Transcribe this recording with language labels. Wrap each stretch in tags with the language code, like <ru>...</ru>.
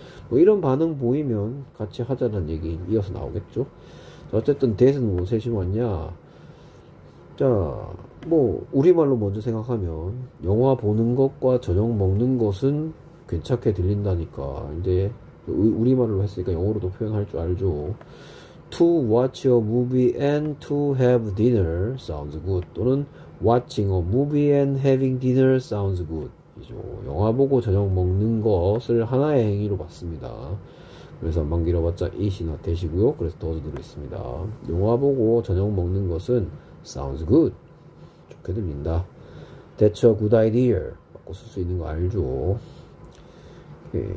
<ko>뭐 이런 반응 보이면 같이 하자는 얘기 이어서 나오겠죠. 어쨌든 that은 뭐 셋이 뭐냐. 자, 뭐 우리말로 먼저 생각하면 영화 보는 것과 저녁 먹는 것은 괜찮게 들린다니까. 이제 우리말로 했으니까 영어로도 표현할 줄 알죠.</ko> <en>To watch a movie and to have dinner sounds good. 또는 watching a movie and having dinner sounds good.</en> <ko>영화 보고 저녁 먹는 것을 하나의 행위로 봤습니다. 그래서 만 길어봤자 is이나 that이고요. 그래서 does 들어있습니다. 영화 보고 저녁 먹는 것은</ko> <en>sounds good.</en> <ko>좋게 들린다.</ko> <en>That's a good idea.</en> <ko>바꿔 쓸수 있는 거 알죠? 오케이.</ko>